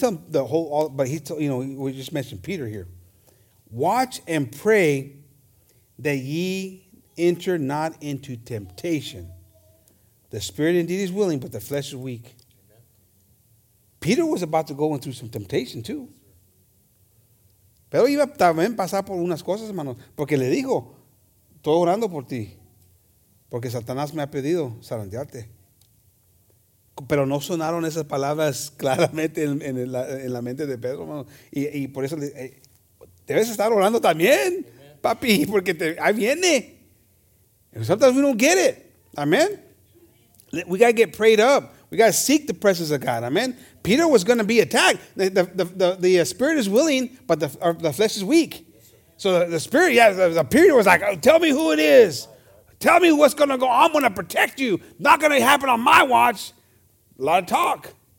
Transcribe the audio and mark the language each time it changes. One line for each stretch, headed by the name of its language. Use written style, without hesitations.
English: We just mentioned Peter here. Watch and pray that ye enter not into temptation. The spirit indeed is willing, but the flesh is weak. Peter was about to go into some temptation too.
Spanish: Pero iba también a pasar por unas cosas, hermano. Porque le dijo, estoy orando por ti. Porque Satanás me ha pedido zarandearte. Pero no sonaron esas palabras claramente en la mente de Pedro, hermano. Y por eso debes estar orando también, amen, papi, porque ahí viene.
English: And sometimes we don't get it. Amen. We got to get prayed up. We got to seek the presence of God. Amen. Peter was going to be attacked. The spirit is willing, but the flesh is weak. So the spirit, yeah, the Peter was like, oh, tell me who it is. Tell me what's going to go on. I'm going to protect you. Not going to happen on my watch. A lot of talk.